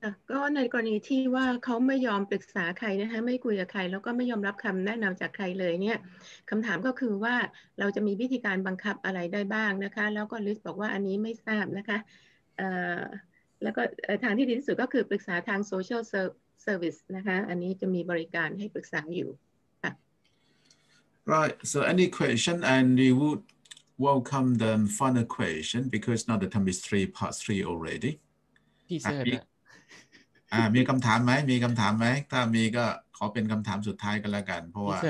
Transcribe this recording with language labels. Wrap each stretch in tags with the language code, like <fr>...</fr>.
<th>ก็ในกรณีที่ว่าเขาไม่ยอมปรึกษาใครนะคะไม่คุยกับใครแล้วก็ไม่ยอมรับคำแนะนำจากใครเลยเนี่ยคำถามก็คือว่าเราจะมีวิธีการบังคับอะไรได้บ้างนะคะแล้วก็ลิสบอกว่าอันนี้ไม่ทราบนะคะแล้วก็ทางที่ดีที่สุดก็คือปรึกษาทางโซเชียลเซอร์วิสนะคะอันนี้จะมีบริการให้ปรึกษาอยู่ค่ะ</th> <en>Right so any question and we would welcome the final question because now the time is 3:03 already</en> <th>ที่เสร็จ มีคำถามไหมถ้ามีก็ขอเป็นคำถามสุดท้ายกันแล้วกันเพราะว่า</th>